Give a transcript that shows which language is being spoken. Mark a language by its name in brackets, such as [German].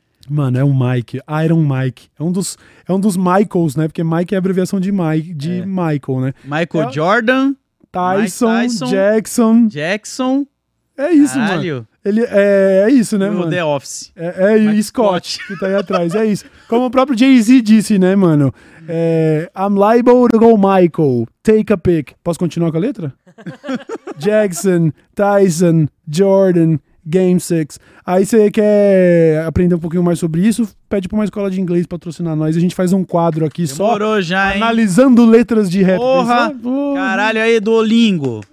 [Portuguese] Mano, é o Mike, Iron Mike. É um dos Michaels, né? Porque Mike é a abreviação de Mike, Michael, né? Michael Jordan. Tyson. Jackson. É isso, caralho. Mano. Ele é isso, né, o mano? The Office. É o Scott, que tá aí atrás. É isso. Como o próprio Jay-Z disse, né, mano? [English] É, I'm liable to go Michael. Take a pick. [Portuguese] Posso continuar com a letra? Jackson, Tyson, Jordan. Game 6. Aí você quer aprender um pouquinho mais sobre isso, pede pra uma escola de inglês patrocinar nós. A gente faz um quadro aqui. Demorou só já, analisando letras de rap. Porra! Caralho, aí, Duolingo.